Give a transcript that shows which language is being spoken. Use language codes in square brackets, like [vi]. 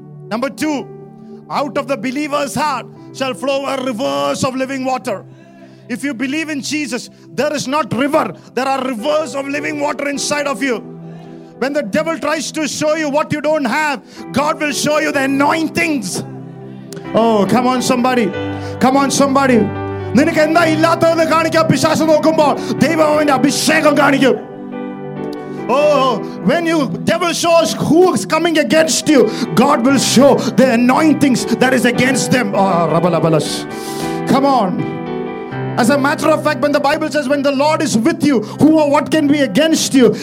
[en] Number two, out of the believer's heart shall flow a rivers of living water. If you believe in Jesus, there is not river, there are rivers of living water inside of you. When the devil tries to show you what you don't have, God will show you the anointings. Oh, come on, somebody. Come on, somebody. [ml] നിനക്ക് എന്താ ഇല്ലാത്തതെന്ന് കാണിക്കാൻ പിശാച് നോക്കുമ്പോൾ ദൈവം അവന്റെ അഭിഷേകം കാണിക്കും. [en] Oh, when you devil shows who is coming against you, God will show the anointings that is against them. Oh, rabalabalas. Come on. As a matter of fact, when the Bible says, when the Lord is with you, who or what can be against you?